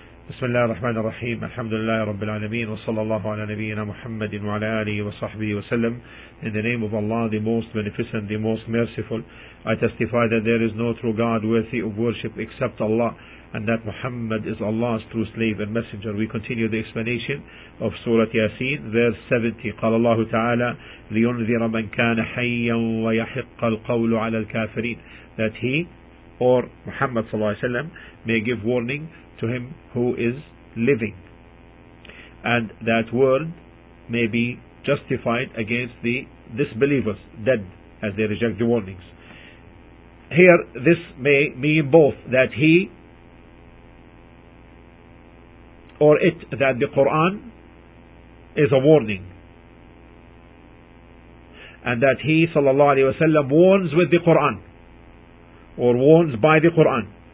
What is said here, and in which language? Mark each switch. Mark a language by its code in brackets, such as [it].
[ar] بسم الله الرحمن الرحيم، الحمد لله رب العالمين، وصلى الله على نبينا محمد وعلى آله وصحبه وسلم. [en] In the name of Allah, the most beneficent, the most merciful, I testify that there is no true God worthy of worship except Allah, and that Muhammad is Allah's true slave and messenger. We continue the explanation of Surah Yasin, verse 70. [ar] قال الله تعالى لينذر من كان حيا ويحق القول على الكافرين. [en] That he, or Muhammad [ar] صلى الله عليه وسلم, [en] may give warning to him who is living, and that word may be justified against the disbelievers, dead, as they reject the warnings. Here, this may mean both that he, or it, that the Quran is a warning, and that he, sallallahu alayhi wa sallam, warns with the Quran, or warns by the Quran.